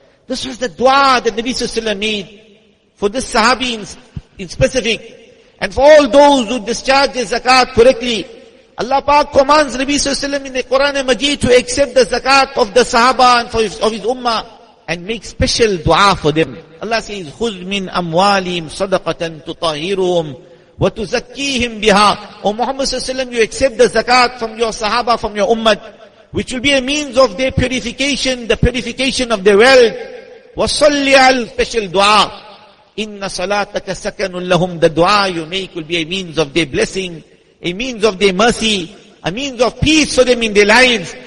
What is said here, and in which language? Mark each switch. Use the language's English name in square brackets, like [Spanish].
[English] This was the dua that Nabi Sallallahu Alaihi Wasallam made for this sahabi in specific. And for all those who discharge the zakat correctly, Allah Pak commands Nabi Sallallahu Alaihi Wasallam in the Quran and Majid to accept the zakat of the sahaba and for his, of his ummah and make special dua for them. [Arabic] Allah says, خُذْ مِنْ أَمْوَالِهِمْ صَدَقَةً تُطَهِّرُهُمْ وَتُزَكِّيهِمْ بِهَا. [English] O Muhammad Sallallahu Alaihi Wasallam, you accept the zakat from your sahaba, from your ummah, which will be a means of their purification, the purification of their wealth. [Arabic] وَصَلِّ عَلْ [English] special dua. [Arabic] إِنَّ صَلَاتَكَ سَكَنٌ لَهُمْ. [English] The dua you make will be a means of their blessing, a means of their mercy, a means of peace for them in their lives.